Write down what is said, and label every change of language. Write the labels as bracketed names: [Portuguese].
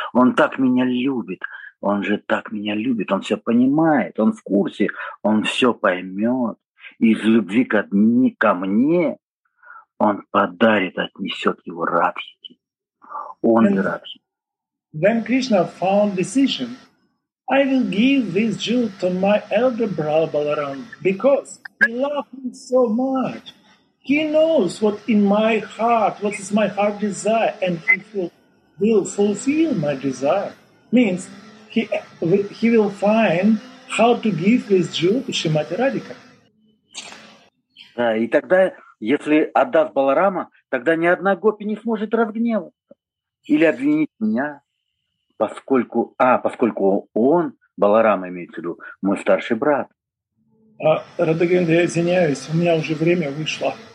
[Russian] Он так меня любит. Он же так меня любит, он все понимает, он в курсе, он все поймет. Из любви ко мне он подарит, отнесет его Радхике. Он и Радхи. [English] Then Krishna found decision. I will give this jewel to my elder brother Balaram, because he loves me so much. He knows what in my heart, what is my heart desire, and he will fulfill my desire. Means... He will find how to give this jewel to Shrimati Radhika. [Russian] Да, и тогда, если отдаст Баларама, тогда ни одна гопи не сможет разгневаться или обвинить меня, поскольку он, Баларама имеет в виду, мой старший брат. Радхагинда, я извиняюсь, у меня уже время вышло.